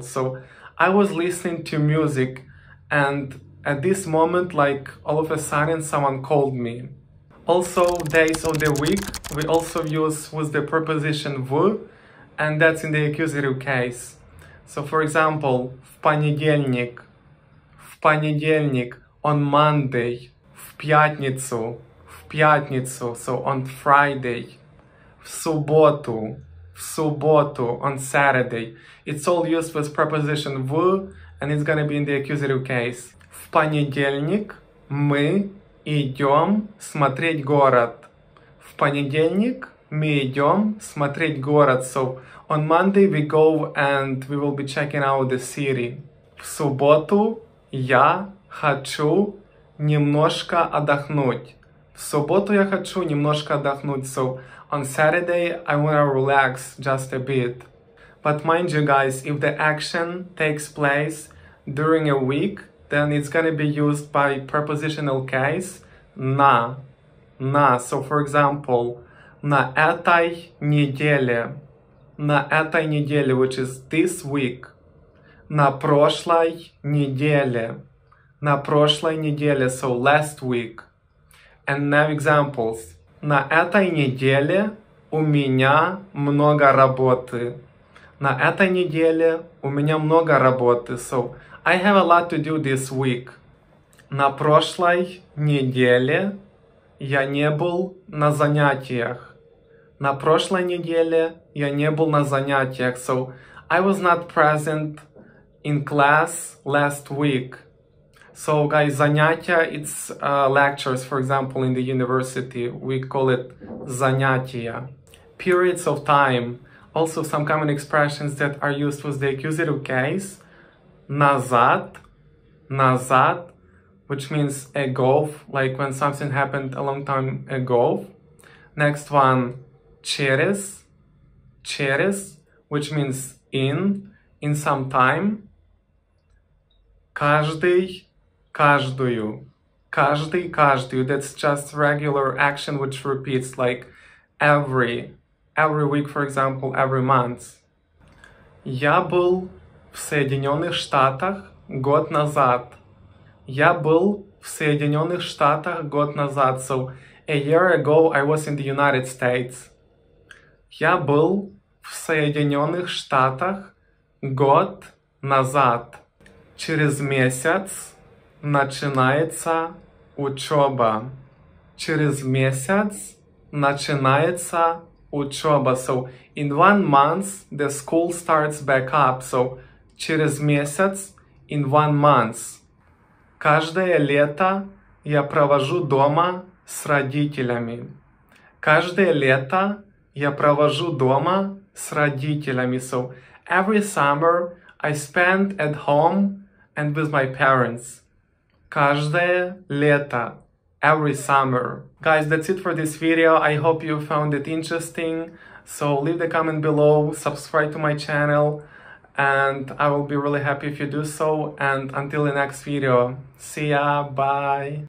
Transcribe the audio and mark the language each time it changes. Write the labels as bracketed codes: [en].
[en] So I was listening to music and at this moment, like, all of a sudden, someone called me. Also, days of the week, we also use with the preposition в, and that's in the accusative case. So, for example, [ru] в понедельник, [en] on Monday, [ru] в пятницу, [en] so on Friday, [ru] в субботу, [en] on Saturday. It's all used with preposition в, and it's gonna be in the accusative case. [ru] В понедельник мы идем смотреть город. В понедельник мы идем смотреть город. [en] So on Monday we go and we will be checking out the city. [ru] В субботу я хочу немножко отдохнуть. В субботу я хочу немножко отдохнуть. [en] So on Saturday I wanna relax just a bit. But mind you guys, if the action takes place during a week, then it's gonna be used by prepositional case на. So for example, [ru] на этой неделе, [en] which is this week, [ru] на прошлой неделе, [en] so last week. And now examples. [ru] На этой неделе у меня много работы. На этой неделе у меня много работы. [en] So I have a lot to do this week. [ru] На прошлой неделе Я не был на занятиях. На прошлой неделе я не был на занятиях. [en] So, I was not present in class last week. So, guys, занятия, it's lectures, for example, in the university. We call it занятия. Periods of time. Also, some common expressions that are used with the accusative case. [ru] Назад. Назад. [en] Which means ago, like when something happened a long time ago. Next one, через, через, which means in some time. [ru] Каждый, каждую, каждый, каждую. [en] That's just regular action which repeats, like every week, for example, every month. [ru] Я был в Соединенных Штатах год назад. Я был в Соединенных Штатах год назад. [en] So, a year ago, I was in the United States. [ru] Я был в Соединенных Штатах год назад. Через месяц начинается учеба. Через месяц начинается учеба. [en] So, in 1 month, the school starts back up. So, [ru] через месяц, [en] in 1 month. [ru] Каждое лето я провожу дома с родителями. Каждое лето я провожу дома с родителями. [en] So, every summer I spend at home and with my parents. [ru] Каждое лето. [en] Every summer. Guys, that's it for this video. I hope you found it interesting. So, leave the comment below, subscribe to my channel. And I will be really happy if you do so. And until the next video, see ya, bye.